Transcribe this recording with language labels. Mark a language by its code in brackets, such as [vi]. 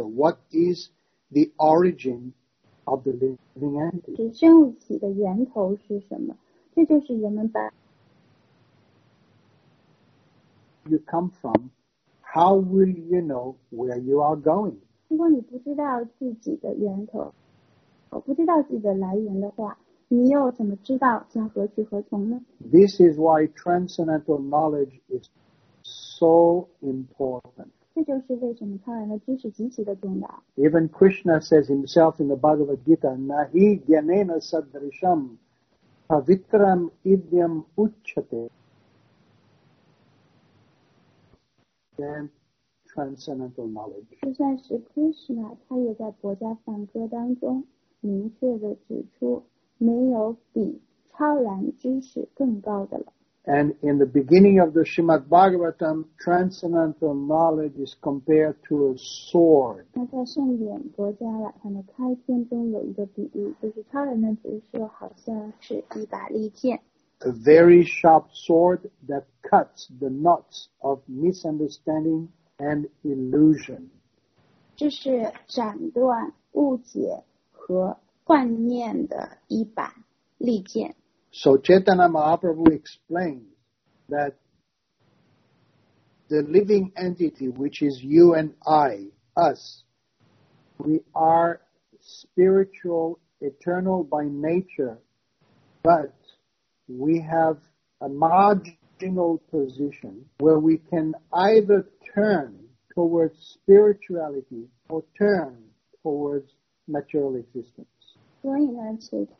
[en] What is the origin of the living entity? [zh] 是生物体的源头是什么？这就是人们把 [en] You come from, how will you know where you are going? [zh] 如果你不知道自己的源头，不知道自己的来源的话，你又怎么知道将何去何从呢？ [en] This is why transcendental knowledge is. So important. [zh] 这就是为什么超然的知识极其的重要。 [en] Even Krishna says himself in the Bhagavad Gita, [sa] "Nahi jnana sadrisham pavitram idyam uchate." [en] Then transcendental knowledge. [zh] 就算是 Krishna， 他也在《薄伽梵歌》当中明确的指出，没有比超然知识更高的了。 [en] And in the beginning of the Srimad Bhagavatam, transcendental knowledge is compared to a sword. [zh] 那在圣典《薄伽梵歌》的开篇中有一个比喻，就是超然的知识好像是一把利剑。 [en] A very sharp sword that cuts the knots of misunderstanding and illusion. [zh] 这是斩断误解和幻念的一把利剑。 [en] So Chaitanya Mahaprabhu explains that the living entity, which is you and I, us, we are spiritual, eternal by nature, but we have a marginal position where we can either turn towards spirituality or turn towards material existence.